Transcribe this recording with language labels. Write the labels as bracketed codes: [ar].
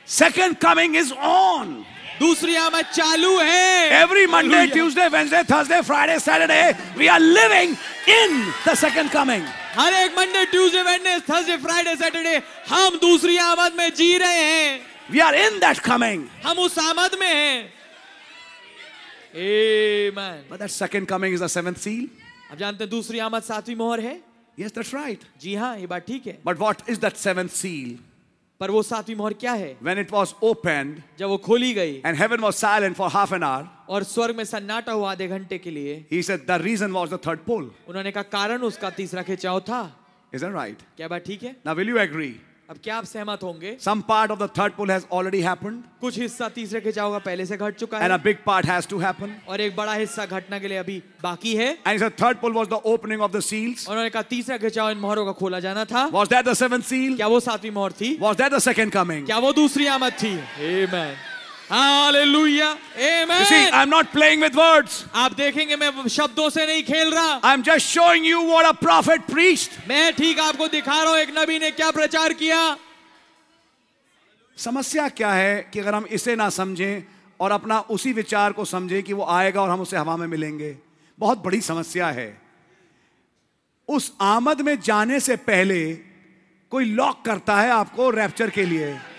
[en] Second coming is on. [hi] दूसरी आमद चालू है. [en] Every Monday, Tuesday, Wednesday, Thursday, Friday, Saturday, we are living in the second coming. [hi] हर एक Monday, Tuesday, वेडनेस, Thursday, Friday, Saturday हम दूसरी आमद में जी रहे हैं. [en] We are in that coming. [hi] हम उस आमद में हैं. Amen. [en] But that second coming is the seventh seal. [hi] आप जानते हैं दूसरी आमद सातवीं मोहर है. [en] Yes, that's right. [hi] जी हाँ, ये बात ठीक है. [en] But what is that seventh seal? [hi] पर वो सातवीं मोहर क्या है? [en] When it was opened, [hi] जब वो खोली गई, [en] and heaven was silent for half an hour, [hi] और स्वर्ग में सन्नाटा हुआ आधे घंटे के लिए, [en] he said the reason was the third pole. [hi] उन्होंने कहा कारण उसका तीसरा खिंचाव था. [en] Is that right? [hi] क्या बात ठीक है? [en] Now will you agree? [hi] अब क्या आप सहमत होंगे? [en] Some part of the third pole has already happened. [hi] कुछ हिस्सा तीसरे खिंचाव का पहले से घट चुका है. [en] And a big part has to happen. [hi] और एक बड़ा हिस्सा घटने के लिए अभी बाकी है. [en] And he said third pole was the opening of the seals. [hi] और उन्होंने कहा तीसरा खिंचाव इन मोहरों का खोला जाना था. [en] Was that the seventh seal? [hi] क्या वो सातवीं मोहर थी? [en] Was that the second coming? [hi] क्या वो दूसरी आमद थी? [en] Amen. Hallelujah. Amen. You see, I'm not playing with words. [hi] आप देखेंगे मैं शब्दों से नहीं खेल रहा. [en] I'm just showing you what a prophet preached. [hi] मैं ठीक आपको दिखा रहा हूं एक नबी ने क्या प्रचार किया. समस्या क्या है कि अगर हम इसे ना समझें और अपना उसी विचार को समझें कि वो आएगा और हम उसे हवा में मिलेंगे. बहुत बड़ी समस्या है. उस आमद में जाने से पहले कोई लॉक करता है आपको रैप्चर के लिए.